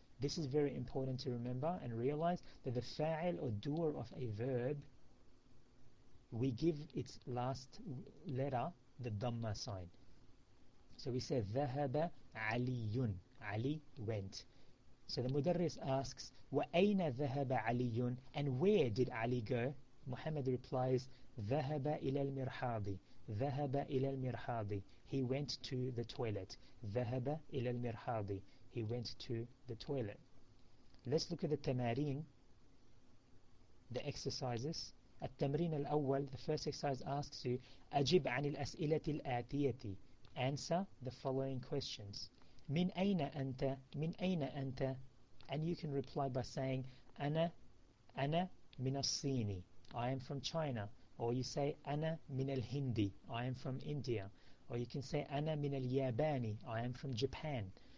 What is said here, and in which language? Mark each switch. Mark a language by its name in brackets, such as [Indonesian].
[English] This is very important to remember and realize that the fa'il or doer of a verb, we give its last letter the dhamma sign. So we say [Arabic] ذَهَبَ عَلِيٌ. [English] Ali went. So the mudarris asks, [Arabic] وَأَيْنَ ذَهَبَ عَلِيٌ? [English] And where did Ali go? [Arabic] Muhammad [English] replies, [Arabic] ذَهَبَ إِلَى الْمِرْحَاضِ. ذَهَبَ إِلَى الْمِرْحَاضِ. [English] He went to the toilet. [Arabic] ذَهَبَ إِلَى الْمِرْحَاضِ. [English] He went to the toilet. Let's look at the tamarin, the exercises. [Arabic] التمرين الأول, [English] the first exercise asks you, [Arabic] أجب عن الأسئلة الآتية. [English] Answer the following questions. [Arabic] من أين أنت? من أين أنت? [English] And you can reply by saying, [Arabic] أنا من الصيني. [English] I am from China. Or you say, [Arabic] أَنَا مِنَ الْهِنْدِ. [English] I am from India. Or you can say, [Arabic] أَنَا مِنَ الْيَابَانِ. [English] I am from Japan.